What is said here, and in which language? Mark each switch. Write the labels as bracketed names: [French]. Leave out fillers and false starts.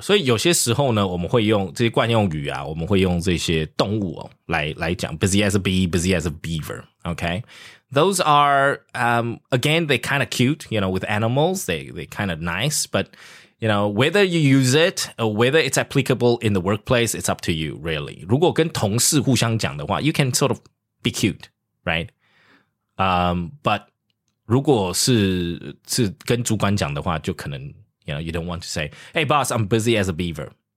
[Chinese] 所以有些时候呢，我们会用这些惯用语啊，我们会用这些动物哦，来讲 [English] busy as a bee, busy as a beaver. Okay, those are again they kind of cute, you know, with animals. They kind of nice, but you know whether you use it or whether it's applicable in the workplace, it's up to you really. [Chinese] 如果跟同事互相讲的话 [English] ，you can sort of be cute, right? [Chinese] But 如果是跟主管讲的话，就可能。 [English] You know, you don't want to say, hey, boss, I'm busy as a beaver.